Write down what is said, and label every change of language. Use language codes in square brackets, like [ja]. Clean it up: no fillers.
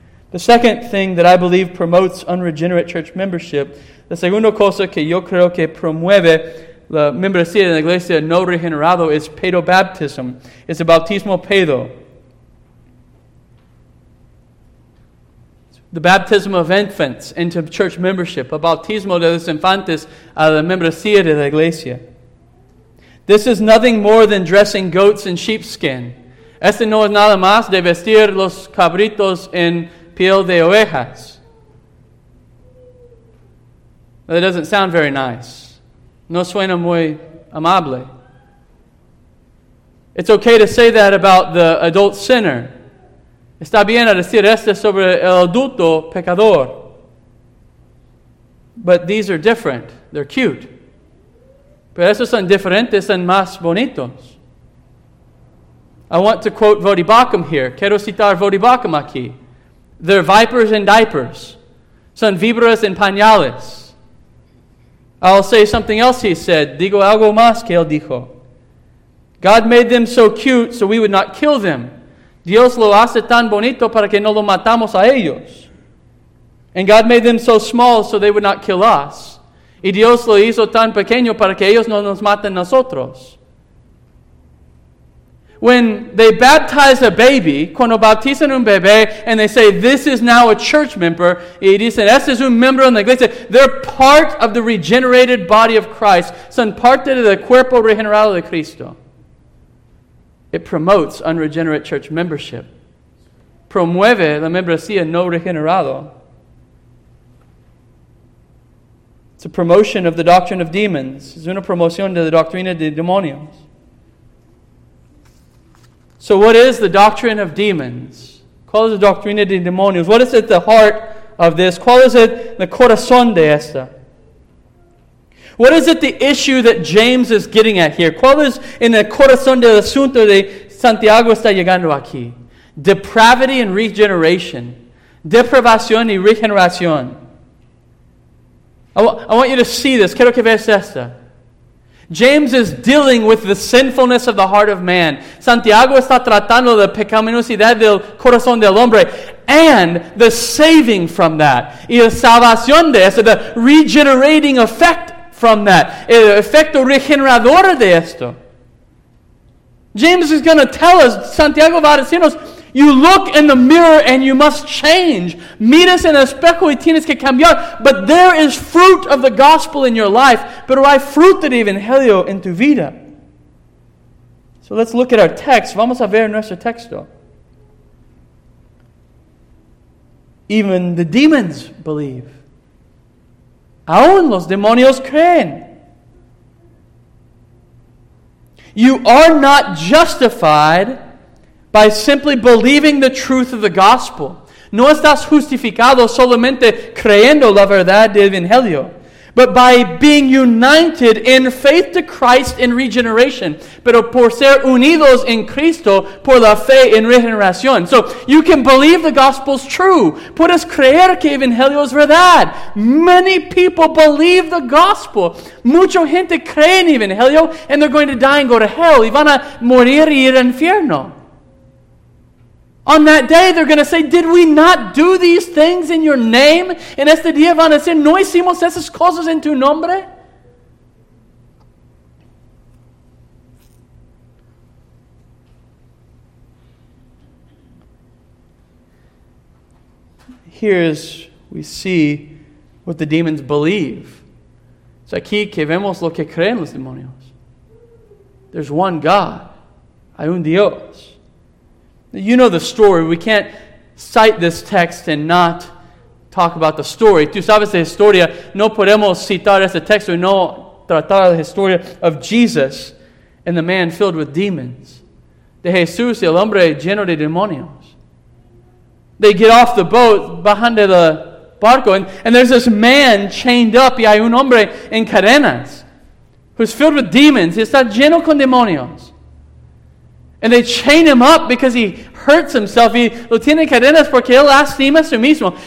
[en] The second thing that I believe promotes unregenerate church membership, [es] la segunda cosa que yo creo que promueve la membresía de la iglesia no regenerado [en] is pedobaptism, [es] es el bautismo pedo. [en] The baptism of infants into church membership. [es] El bautismo de los infantes a la membresía de la iglesia. [en] This is nothing more than dressing goats in sheepskin. [es] Este no es nada más de vestir los cabritos en piel de ovejas. [en] That doesn't sound very nice. [es] No suena muy amable. [en] It's okay to say that about the adult sinner. [es] Está bien a decir esto sobre el adulto pecador. [en] But these are different. They're cute. [es] Pero esos son diferentes y más bonitos. [en] I want to quote Vodibacum here. [es] Quiero citar Vodibacum aquí. [en] They're vipers in diapers. Son víboras en pañales. I'll say something else he said. Digo algo más que él dijo. God made them so cute so we would not kill them. [es] Dios lo hace tan bonito para que no lo matamos a ellos. [en] And God made them so small so they would not kill us. [es] Y Dios lo hizo tan pequeño para que ellos no nos maten nosotros. [en] When they baptize a baby, [es] cuando bautizan un bebé, [en] and they say, this is now a church member, [es] y dicen, este es un miembro en la iglesia, [en] they're part of the regenerated body of Christ. [es] Son parte del cuerpo regenerado de Cristo. [en] It promotes unregenerate church membership. [es] Promueve la membresía no regenerado. [en] It's a promotion of the doctrine of demons. [es] Es una promoción de la doctrina de demonios. [en] So what is the doctrine of demons? [es] ¿Cuál es la doctrina de demonios? [en] What is at the heart of this? [es] ¿Cuál es [en] it the [es] corazón de esta? [en] What is it the issue that James is getting at here? [es] ¿Cuál es en el corazón del asunto de Santiago está llegando aquí? [en] Depravity and regeneration. [es] Depravación y regeneración. [en] I want you to see this. [es] Quiero que veas esta. [en] James is dealing with the sinfulness of the heart of man. [es] Santiago está tratando la pecaminosidad del corazón del hombre. [en] And the saving from that. [es] Y la salvación de eso, [en] the regenerating effect from that. [es] El efecto regenerador de esto. [en] James is going to tell us, [es] Santiago va a decirnos, [en] you look in the mirror and you must change. [es] Miras en el espejo y tienes que cambiar. [en] But there is fruit of the gospel in your life. [es] Pero hay fruto del evangelio en tu vida. [en] So let's look at our text. [es] Vamos a ver nuestro texto. [en] Even the demons believe. [es] Aún los demonios creen. [en] You are not justified by simply believing the truth of the gospel. [es] No estás justificado solamente creyendo la verdad del evangelio. [en] But by being united in faith to Christ in regeneration. [es] Pero por ser unidos en Cristo por la fe en regeneración. [en] So you can believe the gospel's true. [es] Puedes creer que el evangelio es verdad. [en] Many people believe the gospel. [es] Mucha gente cree en el evangelio [en] and they're going to die and go to hell. [es] Y van a morir y ir al infierno. [en] On that day, they're going to say, did we not do these things in your name? [es] En este día van a decir, ¿no hicimos esas cosas en tu nombre? [en] Here is, we see what the demons believe. [es] Es aquí que vemos lo que creen los demonios. [en] There's one God. [es] Hay un Dios. [en] You know the story. We can't cite this text and not talk about the story. [es] Tú sabes la historia. No podemos citar este texto y no tratar la historia [en] of Jesus and the man filled with demons. [es] De Jesús y el hombre lleno de demonios. [en] They get off the boat behind the barco and there's this man chained up [es] y hay un hombre en cadenas [en] who's filled with demons. [es] Está lleno con demonios. [en] And they chain him up because he hurts himself. [es] He lo tiene cadenas porque él lastima a sí mismo.